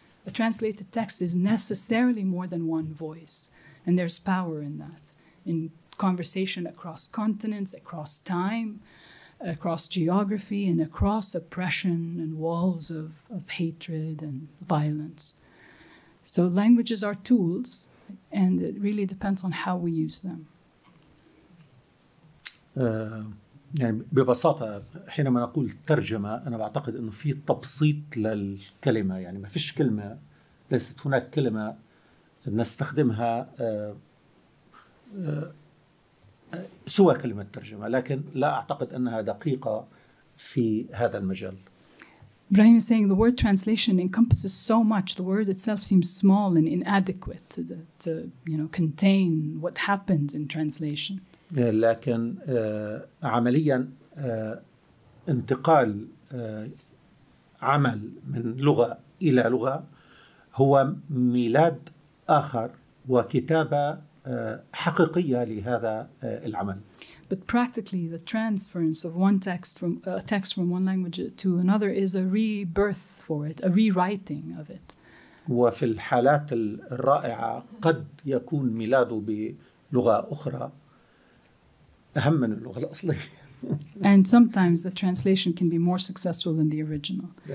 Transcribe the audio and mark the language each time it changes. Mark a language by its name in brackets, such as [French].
[English] A translated text is necessarily more than one voice, and there's power in that, in conversation across continents, across time, across geography, and across oppression and walls of hatred and violence. So languages are tools, and it really depends on how we use them. [Arabic] يعني ببساطة حينما نقول ترجمة أنا أعتقد أنه في تبسيط للكلمة يعني ما فيش كلمة ليست هناك كلمة نستخدمها سوى كلمة ترجمة لكن لا أعتقد أنها دقيقة في هذا المجال. [English] Ibrahim is saying the word translation encompasses so much. The word itself seems small and inadequate to you know contain what happens in translation. [Arabic] لكن عمليا انتقال عمل من لغة إلى لغة هو ميلاد آخر وكتابة حقيقية لهذا العمل. [English] But practically, the transference of one text from a text from one language to another is a rebirth for it, a rewriting of it. [Arabic] وفي الحالات الرائعة قد يكون ميلاده بلغة أخرى أهم من اللغة الأصلية. [English] And sometimes the translation can be more successful than the original.